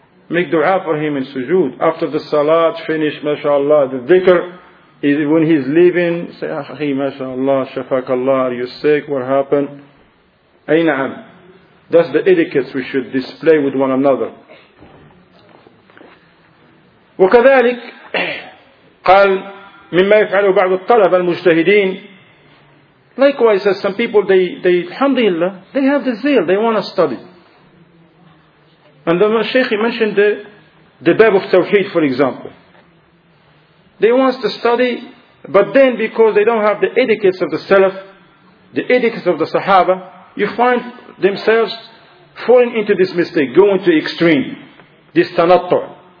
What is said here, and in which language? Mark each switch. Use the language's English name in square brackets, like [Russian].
[English] Make dua for him in sujood. After the salat finish, mashallah, the dhikr, when he's leaving, say, Akhi, mashallah, shafakallah, are you sick? What happened? Ayna'am. That's the etiquette we should display with one another. [Arabic] وكذلك قال مما يفعل بعض الطلبة المجتهدين. [English] Likewise, as some people, they alhamdulillah, they have the zeal, they want to study. And the Shaykh mentioned the bab of Tawheed, for example. they want to study, but then because they don't have the etiquettes of the Salaf, the etiquettes of the Sahaba, you find themselves falling into this mistake, going to extreme, this tanattu.